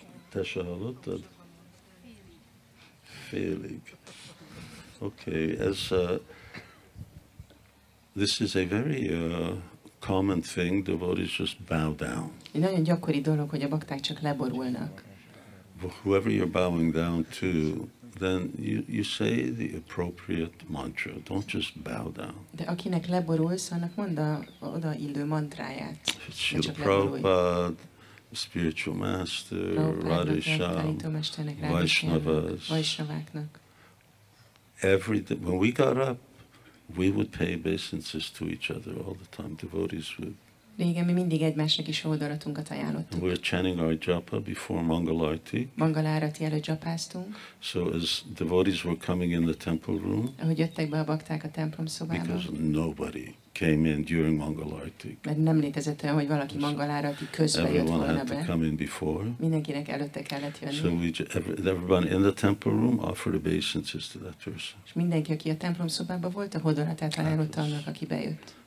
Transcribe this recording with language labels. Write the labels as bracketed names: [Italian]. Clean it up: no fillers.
[Hungarian] Te se hallottad? Félig. [English] Okay, this is a very common thing, devotees just bow down. [Hungarian] Nagyon gyakori dolog, hogy a bakták csak leborulnak. [English] Whoever you're bowing down to, then you say the appropriate mantra. Don't just bow down. [Hungarian] De akinek leborulsz, annak mondd a odaillő mantráját. [English] Śrīla Prabhupāda, spiritual master, Radhisha, vaiṣṇavas. When we got up, we would pay obeisances to each other all the time. Devotees would. [Hungarian] Régen mi mindig egymásnak is odaratunkat ajánlottuk. [English] We're chanting our japa before Mangalarti. [Hungarian] Mangalárati előtt japáztunk. [English] So as devotees were coming in the temple room. [Hungarian] Ahogy jöttek be a bakták a templom szobába. [English] Because nobody came in during Mangalarti. [Hungarian] Mert nem létezett olyan, hogy valaki Mangalárati közbe jött volna be. [English] Everyone had to come in before. [Hungarian] Mindenkinek előtte kellett jönni. [English] So everyone in the temple room offered obeisances to that person. [Hungarian] És mindenki, aki a templom szobába volt, a hodoratát ajánlotta annak, aki bejött.